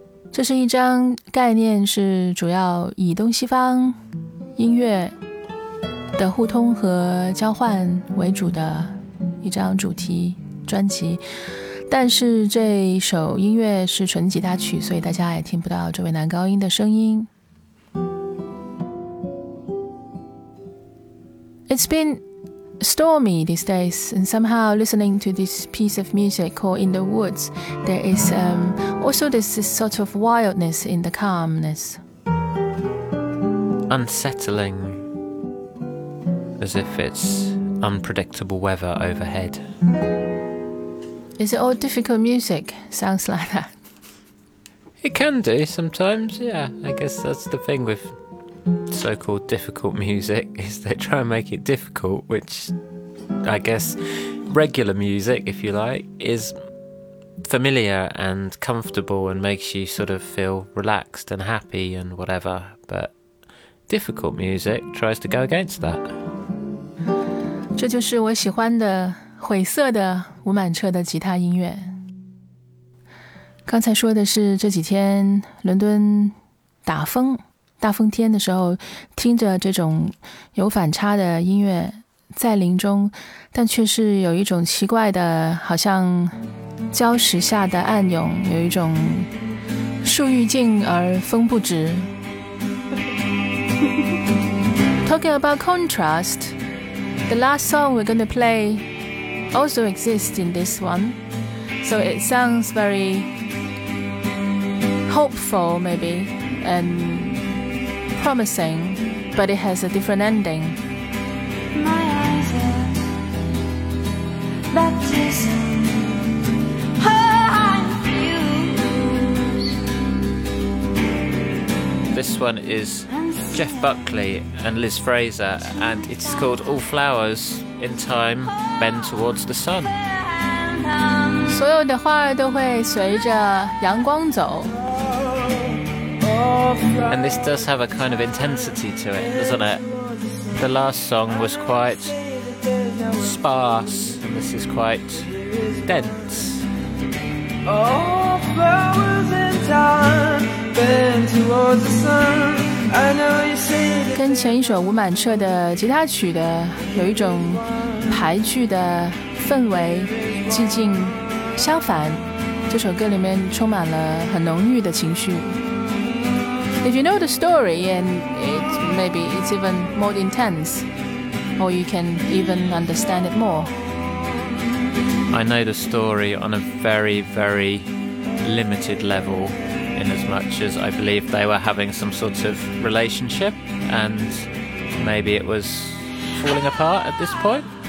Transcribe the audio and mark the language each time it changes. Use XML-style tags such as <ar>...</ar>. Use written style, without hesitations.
<zh>这是一张概念是主要以东西方音乐的互通和交换为主的一张主题专辑，但是这首音乐是纯吉他曲，所以大家也听不到这位男高音的声音。</zh> <en>It's been stormy these days, and somehow listening to this piece of music called In the Woods, there is also this sort of wildness in the calmness. Unsettling, as if it's unpredictable weather overhead. Is it all difficult music? Sounds like that. It can do sometimes, yeah. I guess that's the thing with so-called difficult music, is they try and make it difficult, which I guess regular music, if you like, is familiar and comfortable and makes you sort of feel relaxed and happy and whatever, but difficult music tries to go against that.</en> <zh>这就是我喜欢的晦涩的吴满彻的吉他音乐。刚才说的是这几天伦敦打风大风天的时候，听着这种有反差的音乐在林中，但却是有一种奇怪的，好像礁石下的暗涌，有一种树欲静而风不止。</zh> <en>Talking about contrast, the last song we're going to play also exists in this one, so it sounds very hopeful, maybe, and promising, but it has a different ending. My eyes are baptism. Oh, I'm confused. This one is Jeff Buckley and Liz Fraser, and it's called All Flowers in Time Bend Towards the Sun.</en> <zh>所有的花儿都会随着阳光走。</zh> <en>And this does have a kind of intensity to it, doesn't it? The last song was quite sparse, and this is quite dense. All flowers in time bend towards the sun. I know you see.</en> <zh>跟前一首吴满彻的吉他曲的有一种排句的氛围寂静相反，这首歌里面充满了很浓郁的情绪。</zh> <en>If you know the story, and it, maybe it's even more intense, or you can even understand it more. I know the story on a very, very limited level, in as much as I believe they were having some sort of relationship, and maybe it was falling apart at this point.</en>